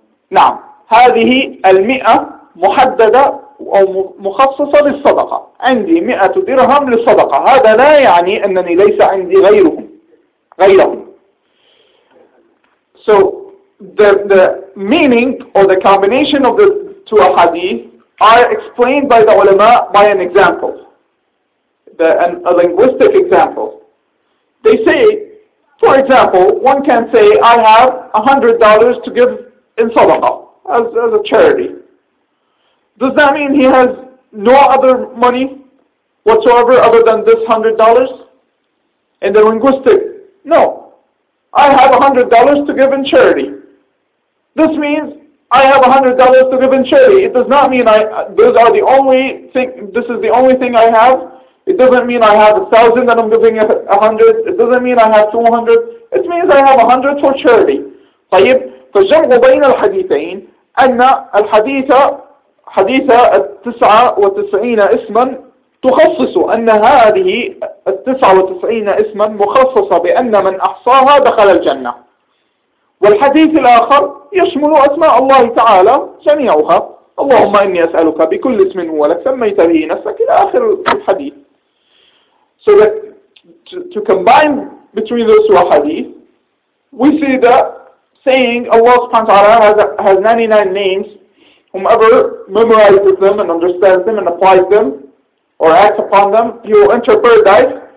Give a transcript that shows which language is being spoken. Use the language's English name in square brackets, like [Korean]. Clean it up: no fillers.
[Arabic] نعم هذه 100 محددة أو مخصصة للصدقة، عندي 100 درهم للصدقة، هذا لا يعني أنني ليس عندي غيرهم. [English] So the meaning or the combination of the two hadith are explained by the ulama by an example, a linguistic example. They say, for example, one can say I have $100 to give in sadaqa as a charity. Does that mean he has no other money whatsoever other than this $100? In the linguistic, no. I have $100 to give in charity. This means I have $100 to give in charity. It does not mean this is the only thing I have. It doesn't mean I have 1,000 and I'm giving 100. It doesn't mean I have 200. It means I have 100 for charity. [Arabic] طيب فالجمع بين الحديثين أن الحديثة حديثة 99 اسما تخصص أن هذه 99 اسما مخصصة بأن من أحصاها دخل الجنة، والحديث الآخر يشمل أسماء الله تعالى جميعها، اللهم إني أسألك بكل اسم هو لك سميت به نفسك إلى آخر الحديث. [English] So that to combine between those two hadith, we see that saying Allah subhanahu wa ta'ala has 99 names, whomever memorizes them and understands them and applies them or acts upon them, he will enter paradise.